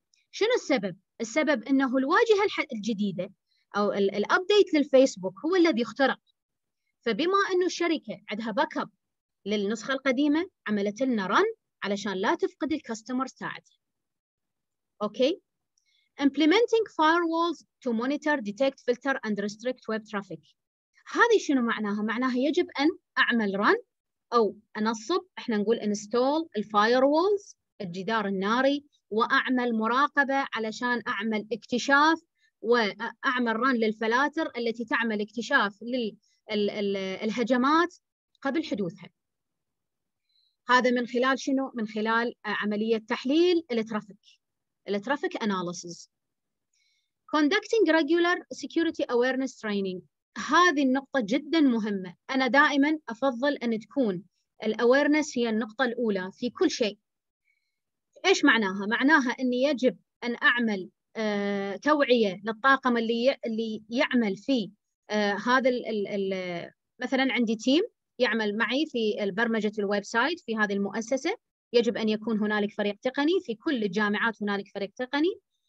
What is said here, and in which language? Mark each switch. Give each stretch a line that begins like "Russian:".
Arabic: شنو السبب؟ السبب أنه الواجهة الجديدة أو الأبديت للفيسبوك هو الذي اخترق. فبما أنه الشركة عندها باكب للنسخة القديمة عملت لنا رن علشان لا تفقد الكاستمر تاعتها. اوكي.
English: Implementing firewalls to monitor, detect, filter and restrict web traffic.
Arabic: هذه شنو معناها؟ معناها يجب ان اعمل run او انصب، احنا نقول install الفايروولز الجدار الناري، واعمل مراقبه علشان اعمل اكتشاف، واعمل run للفلاتر التي تعمل اكتشاف للهجمات قبل حدوثها. هذا من خلال شنو؟ من خلال عملية تحليل الترافيك analysis.
English: Conducting regular security awareness training.
Arabic: هذه النقطة جدا مهمة، أنا دائما أفضل أن تكون الawareness هي النقطة الأولى في كل شيء. إيش معناها؟ معناها أني يجب أن أعمل توعية للطاقم اللي يعمل في هذا الـ مثلا عندي تيم يعمل معي في البرمجة الويب سايت في هذه المؤسسة، يجب أن يكون هنالك فريق تقني في كل الجامعات، هنالك فريق تقني.